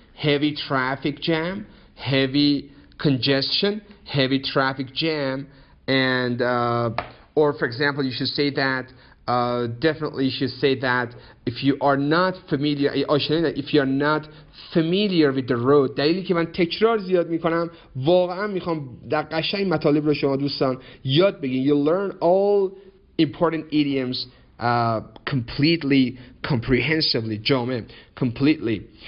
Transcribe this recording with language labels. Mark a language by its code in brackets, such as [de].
[en] Heavy traffic jam. Heavy congestion. Heavy traffic jam. And or for example, you should say that Definitely should say that if you are not familiar, if you are not familiar with the road. [fa] دلیلی که من تکرار زیاد میکنم واقعا میخوام در قشنگ مطالب رو شما دوستان یاد بگیرید. [en] You learn all important idioms completely, comprehensively, جامع, completely.